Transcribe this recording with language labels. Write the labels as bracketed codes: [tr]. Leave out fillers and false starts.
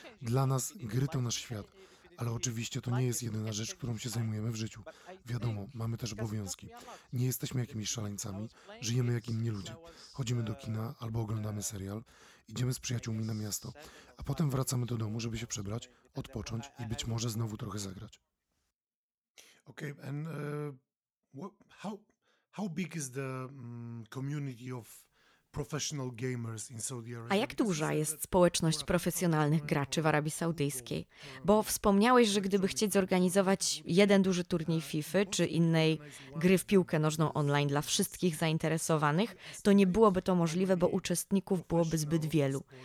[pl] Dla nas gry to nasz świat. Ale oczywiście to nie jest jedyna rzecz, którą się zajmujemy w życiu. Wiadomo, mamy też obowiązki. Nie jesteśmy jakimiś szaleńcami, żyjemy jak inni ludzie. Chodzimy do kina albo oglądamy serial, idziemy z przyjaciółmi na miasto, a potem wracamy do domu, żeby się przebrać, odpocząć i być może znowu trochę zagrać. [en] Okay, and how big is the community of professional gamers in Saudi Arabia? [pl] A jak duża jest społeczność profesjonalnych graczy w Arabii Saudyjskiej? Bo wspomniałeś, że gdyby chcieć zorganizować jeden duży turniej FIFA czy innej gry w piłkę nożną online dla wszystkich zainteresowanych, to nie byłoby to możliwe, bo uczestników byłoby zbyt wielu.